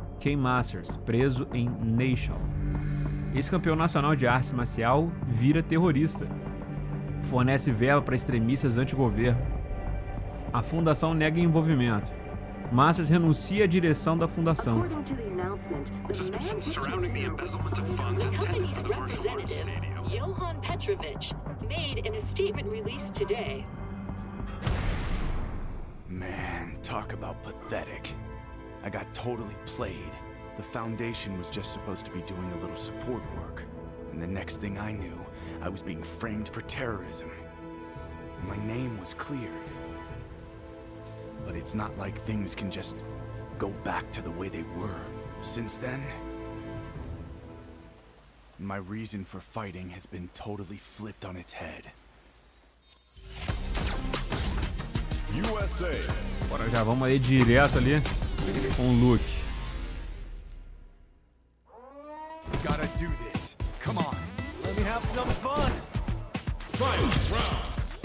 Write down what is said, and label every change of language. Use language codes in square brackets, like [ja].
[pt] Ken Masters, preso em Nation. Ex-campeão nacional de arte marcial vira terrorista. Fornece verba para extremistas anti-governo. A fundação nega envolvimento. Masters renuncia à direção da fundação. [en] Suspicions surrounding the embezzlement of funds intended for the martial arts stadium. Johan Petrovic made in a statement released today. Man, talk about pathetic. I got totally played. The foundation was just supposed to be doing a little support work. And the next thing I knew, I was being framed for terrorism. My name was cleared. But it's not like things can just go back to the way they were. Since then, my reason for fighting has been totally flipped on its head. USA. [pt] Bora já, vamos aí direto ali com o Luke. [en] Gotta do this. Come on. Let me have some fun. Fight round.